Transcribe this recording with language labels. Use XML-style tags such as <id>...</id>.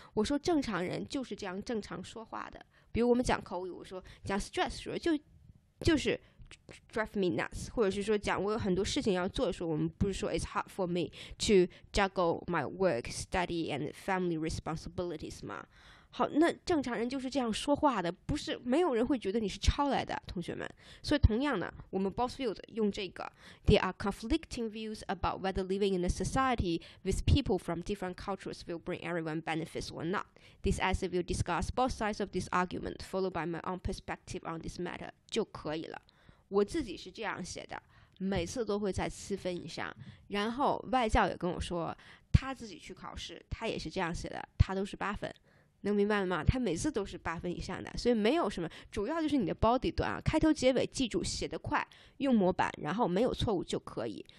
<zh>我说正常人就是这样正常说话的，比如我们讲口语，我说讲 stress 说就是</zh> <en>drive me nuts，</en> <zh>或者是说讲我有很多事情要做的时候，我们不是说</zh> <en>it's hard for me to juggle my work, study and family responsibilities</en> <zh>吗？好，那正常人就是这样说话的，不是没有人会觉得你是抄来的，同学们。所以同样呢，我们 boss field 用这个，</zh> <en>There are conflicting views about whether living in a society with people from different cultures will bring everyone benefits or not. This essay will discuss both sides of this argument, followed by my own perspective on this matter.</en> <zh>就可以了。我自己是这样写的，每次都会在7分以上。然后外教也跟我说，他自己去考试，他也是这样写的，他都是8分。能明白了吗？他每次都是8分以上的，所以没有什么，主要就是你的 body 端啊，开头结尾记住，写得快，用模板，然后没有错误就可以。</zh>